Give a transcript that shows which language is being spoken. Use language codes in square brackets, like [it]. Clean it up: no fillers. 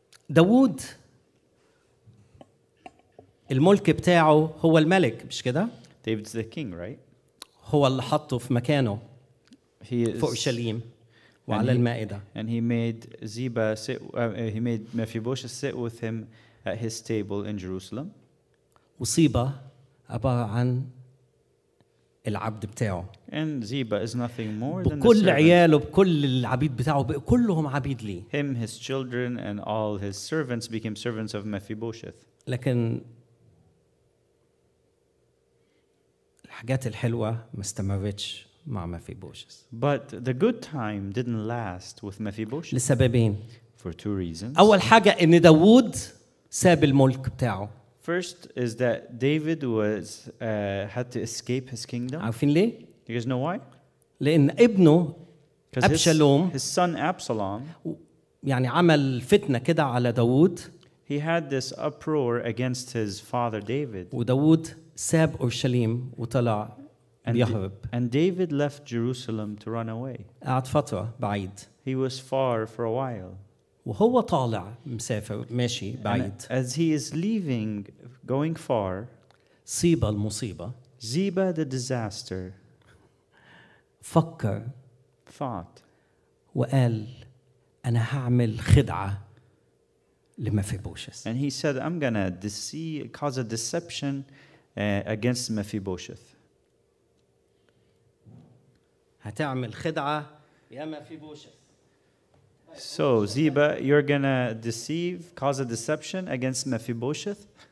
[ar] داود الملك بتاعه هو الملك مش كده؟ [en] David's the king, right? [ar] هو اللي حطه في مكانه في أورشليم وعلى المائدة. [en] And he made Ziba sit, he made Mephibosheth sit with him at his table in Jerusalem. [ar] وصيبة عبارة عن العبد بتاعه. [en] And Ziba is nothing more than [ar] بكل عياله بكل العبيد بتاعه كلهم عبيد لي. [en] Him, his children, and all his servants became servants of Mephibosheth. [ar] لكن الحاجات الحلوة ما استمرتش مع Mephibosheth. [en] But the good time didn't last with Mephibosheth. [ar] لسببين. [en] For two reasons. [ar] أول حاجة إن داود ساب الملك بتاعه. [en] First is that David was had to escape his kingdom. [ar] عارفين ليه؟ [en] You guys know why? [ar] لأن ابنه أبشالوم [en] his son Absalom [ar] يعني عمل فتنة كده على داود. [en] He had this uproar against his father David. [ar] وداود ساب أورشليم وطلع يهرب. [en] And David left Jerusalem to run away. [ar] قعد فترة بعيد. [en] He was far for a while. [ar] وهو طالع مسافر ماشي بعيد. [en] And as he is leaving, going far, [ar] صيبة المصيبة. [en] Ziba the disaster. [ar] فكر. [en] Thought. [ar] وقال أنا هعمل خدعة لمفيبوشس. [en] And he said, I'm gonna cause a deception against Mephibosheth. [ar] هتعمل خدعة يا مفيبوشس. [en] So Ziba, you're gonna deceive, cause a deception against Mephibosheth.